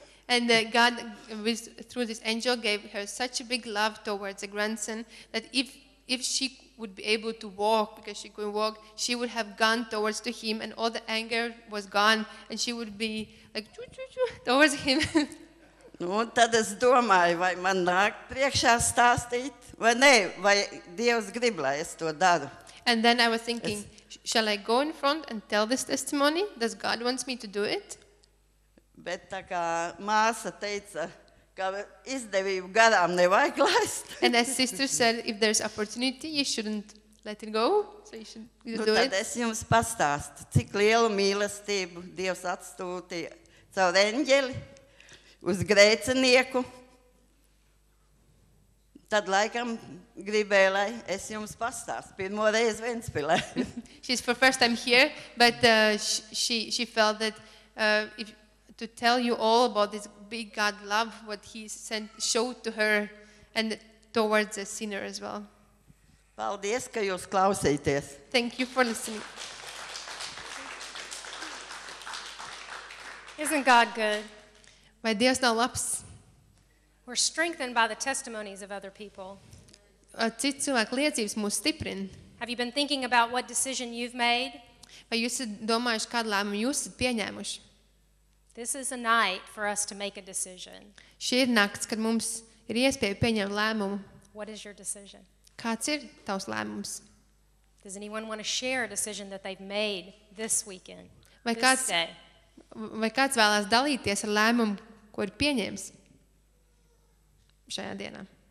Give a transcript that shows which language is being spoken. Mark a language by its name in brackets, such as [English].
[English] And God, through this angel, gave her such a big love towards a grandson that if she would be able to walk, because she couldn't walk, she would have gone towards to him and all the anger was gone and she would be like, chu-chu-chu, towards him. [Latvian] Nu, tad es domāju, vai man nāk priekšā stāstīt, vai nē, vai Dievs grib, lai es to daru. [English] And then I was thinking, shall I go in front and tell this testimony? Does God want me to do it? [Latvian] Bet tā kā māsa teica, ka izdevību garām nevajag laist. [English] And as sister said, if there's opportunity, you shouldn't let it go, so you should do it. [Latvian] Nu, tad es jums pastāstu, cik lielu mīlestību Dievs atstūtīja caur eņģeli uz grēcinieku. Tad laikam gribēju, lai es jums pastāstu pirmo reizi Ventspilē. [English] She's for first time here, but she felt that if to tell you all about this big God love, what he sent, showed to her and towards the sinner as well. [Latvian] Paldies, ka jūs klausīties. [English] Thank you for listening. Isn't God good? [Latvian] Vai Dievs nav labs? [English] We're strengthened by the testimonies of other people. [Latvian] Cits cilvēku liecības mūs stiprin. [English] Have you been thinking about what decision you've made? [Latvian] Vai jūs domājuši, kādu lēmumu jūs pieņēmuši? [English] This is a night for us to make a decision. [Latvian] Šī ir nakts, kad mums ir iespēja pieņemt lēmumu. [English] What is your decision? [Latvian] Kāds ir tavs lēmums? [English] Does anyone want to share a decision that they've made this weekend? [Latvian] Vai kāds vēlas dalīties ar lēmumu, ko ir pieņēmis šajā dienā?